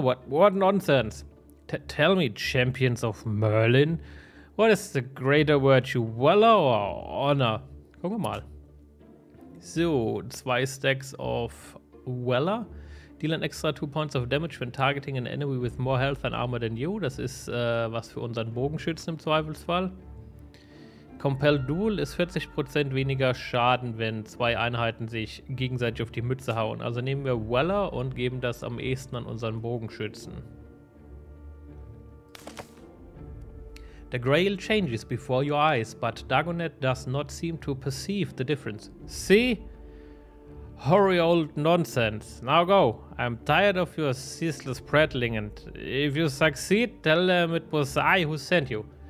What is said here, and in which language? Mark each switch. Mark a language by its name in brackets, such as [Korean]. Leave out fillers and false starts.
[English] What nonsense. Tell me, champions of Merlin, what is the greater virtue, valor or honor? [German] Gucken wir mal. [English] So, 2 stacks of valor. Deal an extra 2 points of damage when targeting an enemy with more health and armor than you. [German] Das ist was für unseren Bogenschützen im Zweifelsfall. Compel Duel ist 40% weniger Schaden, wenn 2 Einheiten sich gegenseitig auf die Mütze hauen. Also nehmen wir Weller und geben das am ehesten an unseren Bogenschützen. [English] The Grail changes before your eyes, but Dagonet does not seem to perceive the difference. See? Hurry, old nonsense. Now go. I'm tired of your ceaseless prattling and if you succeed, tell them it was I who sent you.